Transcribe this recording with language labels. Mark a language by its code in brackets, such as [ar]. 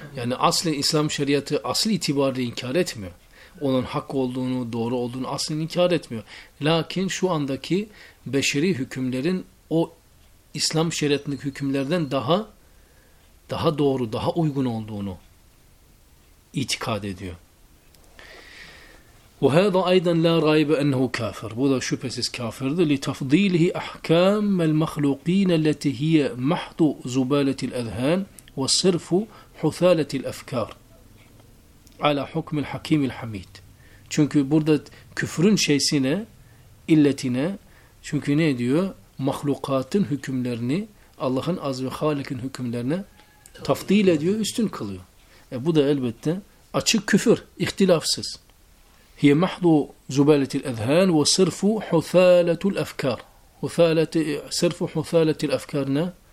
[tr] Yani aslen İslam şeriatı asli itibariyle inkar etmiyor. Onun hak olduğunu, doğru olduğunu asli inkar etmiyor. Lakin şu andaki beşeri hükümlerin o İslam şeriatındaki hükümlerden daha doğru, daha uygun olduğunu itikad ediyor. [ar] وَهَذَا اَيْدًا لَا رَيْبَ اَنْهُ كَافِرٌ. [tr] Bu da şüphesiz kafirdir. [ar] لِتَفْضِيلِهِ اَحْكَامَ الْمَخْلُقِينَ الَّتِ هِيَ مَحْضُ زُبَالَةِ الْاَذْهَانِ وَصِرْفُ حُثَالَةِ الْاَفْكَارِ عَلَى حُكْمِ الْحَكِيمِ الْحَمِيدِ. [tr] Çünkü burada küfrün şeysine, illetine, çünkü ne diyor? Mahlukatın hükümlerini, Allah'ın az ve Halik'in hükümlerine tafdil ediyor, üstün kılıyor. Bu da elbette açık küfür, ihtilafsız. [ar] هي محض زبالة الأذهان وصرف حثالة الأفكار. حثالة صرف حثالة الأفكارنا.